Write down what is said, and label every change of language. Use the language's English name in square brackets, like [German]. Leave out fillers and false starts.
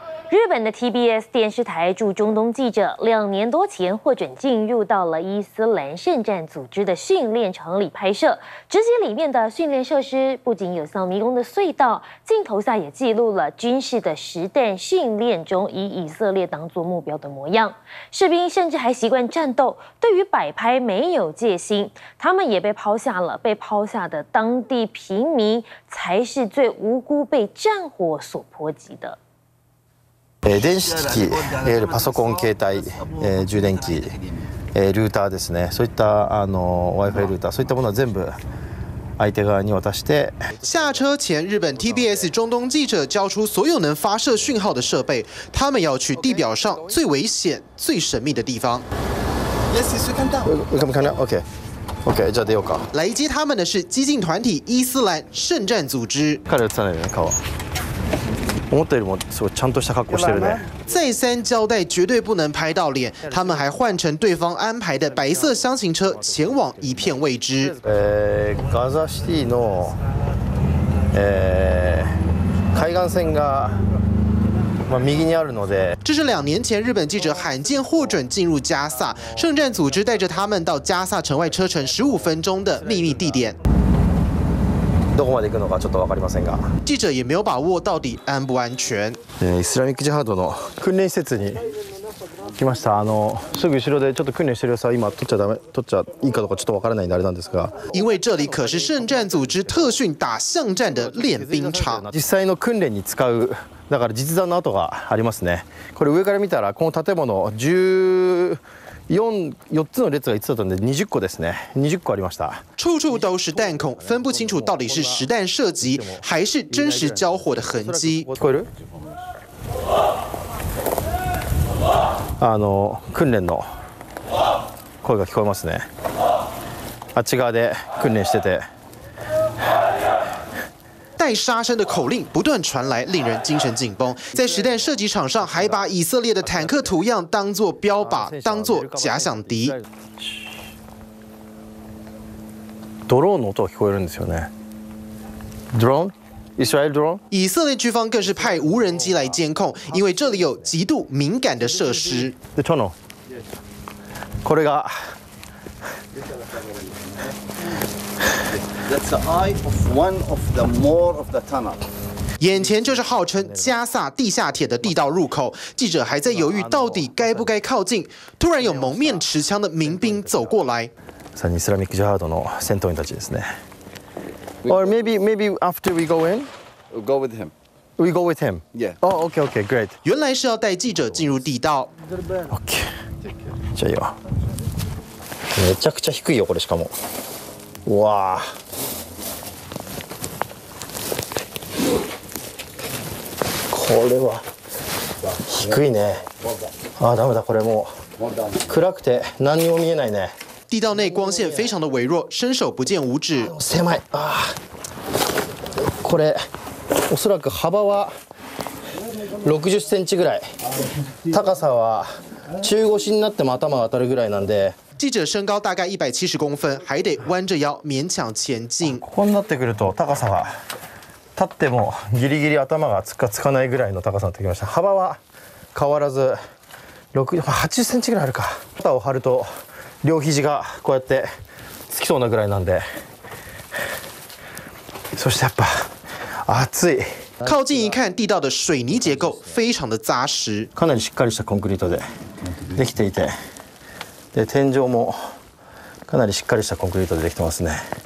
[Chinese] 日本的 TBS 电视台驻中东记者两年多前获准进入到了伊斯兰圣战组织的训练场里拍摄，直击里面的训练设施不仅有像迷宫的隧道，镜头下也记录了军事的实弹训练中以以色列当作目标的模样。士兵甚至还习惯战斗，对于摆拍没有戒心，他们也被抛下了，被抛下的当地平民才是最无辜被战火所波及的。 [Japanese] 電子機器、いわゆるパソコン、携帯、充電器、ルーターですね、そういったWi-Fi ルーター、そういったものは全部相手側に渡して。 [Chinese] 下車前、日本 TBS 中東記者交出所有能發射訊號的設備、他們要去地表上最危險、最神秘的地方。 [English] Yes, you can down. Come, come down. Okay. Okay, [Japanese] じゃあ出ようか。 [Chinese] 来接他们的是激进团体伊斯兰圣战组织。 [Japanese] 彼らは伝えないね、顔は。思ったよりもすごいちゃんとした格好してるね。 [Chinese] 再三交代绝对不能拍到脸，他们还换成对方安排的白色厢型车前往一片未知。 [Japanese] ガザシティの海岸線が右にあるので。 [Chinese] 这是两年前日本记者罕见获准进入加萨，圣战组织带着他们到加萨城外车程15分钟的秘密地点。 [Japanese] どこまで行くのかちょっとわかりませんが。 [Chinese] 記者也没有把握到底安不安全。 [Japanese] イスラミックジハードの訓練施設に来ました。すぐ後ろでちょっと訓練してる様子は今撮っちゃいいかどうかちょっとわからないんであれなんですが。 [Chinese] 因为这里可是圣战组织特训打巷战的练兵场。 [Japanese] 実際の訓練に使うだから実弾の跡がありますね。これ上から見たらこの建物4つの列が5つだったので20個ですね。 20個ありました。 [Chinese] 处处都是弹孔，分不清楚到底是实弹射击还是真实交火的痕迹。 [Japanese] 聞こえる？訓練の声が聞こえますね。あっち側で訓練してて。 [Chinese] 带杀声的口令不断传来，令人精神紧绷。在实弹射击场上，还把以色列的坦克图样当作标靶，当作假想敌。 [Japanese] ドローンの音聞こえるんですよね。ドローン？イスラエルドローン？ [Chinese] 以色列军方更是派无人机来监控，因为这里有极度敏感的设施。 [Japanese] で、トノ。これが。 [English] That's the eye of one of the more of the tunnel. [Chinese] 眼前就是号称加萨地下铁的地道入口。记者还在犹豫到底该不该靠近，突然有蒙面持枪的民兵走过来。 [Japanese] さあ、イスラミックジハードの戦闘員たちですね。 [English] Or maybe after we go in, we'll go with him. We go with him. Yeah. Oh, okay, okay, great. [Chinese] 原来是要带记者进入地道。 Okay. 加油。 [Japanese] めちゃくちゃ低いよこれしかも。哇！これは低いね。啊，ダメだ。これも暗くて何にも見えないね。 [Chinese] 地道内光线非常的微弱，伸手不见五指。 [Japanese] 狭い。啊，これおそらく幅は60センチぐらい。高さは中腰になっても頭が当たるぐらいなんで。 [Chinese] 记者身高大概170公分，还得弯着腰勉强前进。 [Japanese] こうなってくると高さが立ってもギリギリ頭がつかつかないぐらいの高さになってきました。幅は変わらず80センチぐらいあるか。肩を張ると両肘がこうやってつきそうなぐらいなんで。そしてやっぱ暑い。 [Chinese] 靠近一看，地道的水泥结构非常的扎实。 [Japanese] かなりしっかりしたコンクリートでできていて。で天井もかなりしっかりしたコンクリートでできてますね。